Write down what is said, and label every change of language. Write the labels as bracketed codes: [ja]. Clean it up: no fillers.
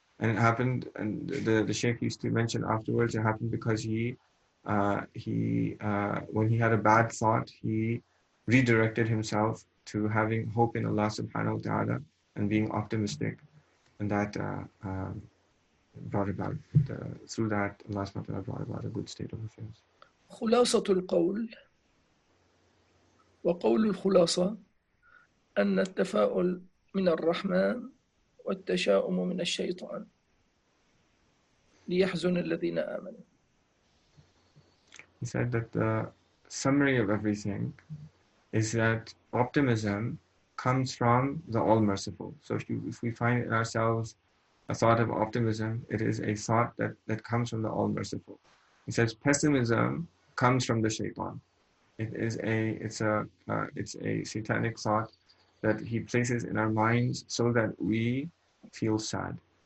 [en] And it happened, and the Sheikh used to mention afterwards, it happened because when he had a bad thought, he redirected himself to having hope in Allah subhanahu wa ta'ala and being optimistic. And that brought about, through that, Allah subhanahu wa ta'ala brought about a good state of affairs. [ar] وقول الخلاصة أن التفاؤل من الرحمن والتشاؤم من الشيطان ليحزن الذين آمنوا. [en] He said that the summary of everything is that optimism comes from the All-Merciful. So if we find ourselves a thought of optimism, it is a thought that comes from the All-Merciful. He says pessimism comes from the shaitan. It's a satanic thought that he places in our minds so that we feel sad.